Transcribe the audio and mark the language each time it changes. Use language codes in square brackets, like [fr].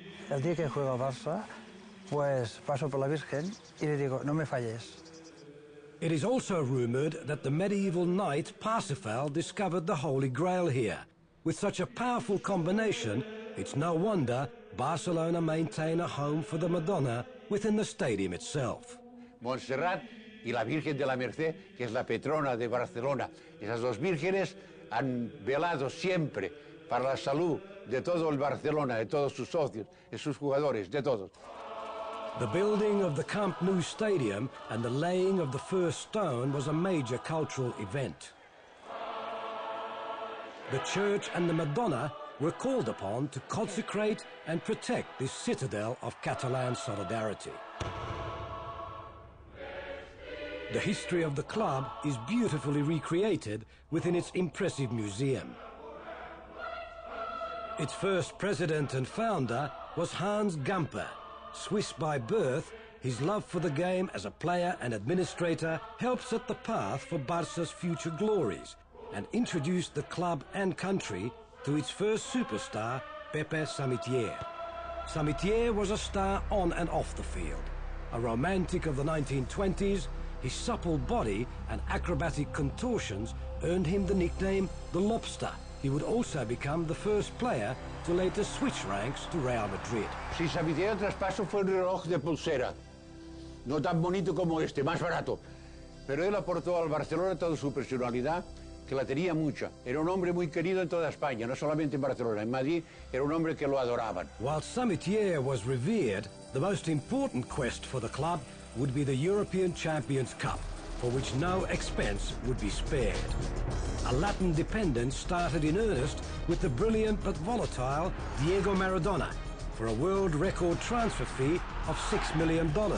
[es] El día que juego a Barça, pues paso por la Virgen y le digo, no me falles. [en] It is also rumored that the medieval knight Parsifal discovered the Holy Grail here. With such a powerful combination, it's no wonder Barcelona maintain a home for the Madonna within the stadium itself. [es] Montserrat y la Virgen de la Merced, que es la patrona de Barcelona. Esas dos vírgenes han velado siempre para la salud de todo el Barcelona, de todos sus socios, de sus jugadores, de todos. [en] The building of the Camp Nou Stadium and the laying of the first stone was a major cultural event. The church and the Madonna were called upon to consecrate and protect this citadel of Catalan solidarity. The history of the club is beautifully recreated within its impressive museum. Its first president and founder was Hans Gamper. Swiss by birth, his love for the game as a player and administrator helped set the path for Barça's future glories and introduced the club and country to its first superstar, Pepe Samitier. Samitier was a star on and off the field. A romantic of the 1920s, his supple body and acrobatic contortions earned him the nickname the Lobster. He would also become the first player to later switch ranks to Real Madrid. [es] Si Samitier traspaso fue un reloj de pulsera, no tan bonito como este, más barato. Pero él aportó al Barcelona toda su personalidad, que la tenía mucha. Era un hombre muy querido en toda España, no solamente en Barcelona. En Madrid era un hombre que lo adoraban. [en] While Samitier was revered, the most important quest for the club would be the European Champions Cup, for which no expense would be spared. A Latin dependence started in earnest with the brilliant but volatile Diego Maradona for a world record transfer fee of $6 million,